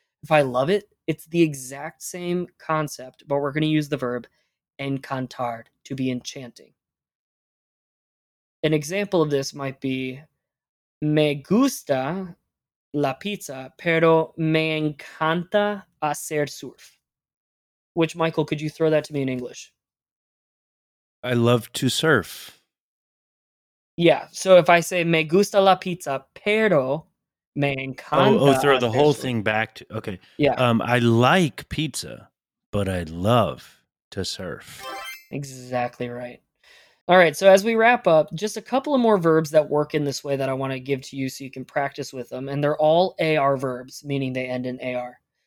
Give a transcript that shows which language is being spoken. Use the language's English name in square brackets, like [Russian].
[English] If I love it, it's the exact same concept, but we're going to use the verb encantar, to be enchanting. An example of this might be, [Spanish] me gusta la pizza, pero me encanta hacer surf. [English] Which, Michael, could you throw that to me in English? I love to surf. Yeah, so if I say [Spanish] me gusta la pizza, pero me encanta. [English] Oh, throw the whole thing back. Okay. Yeah. I like pizza, but I love to surf. Exactly right. All right, so as we wrap up, just a couple of more verbs that work in this way that I want to give to you so you can practice with them, and they're all AR verbs, meaning they end in AR.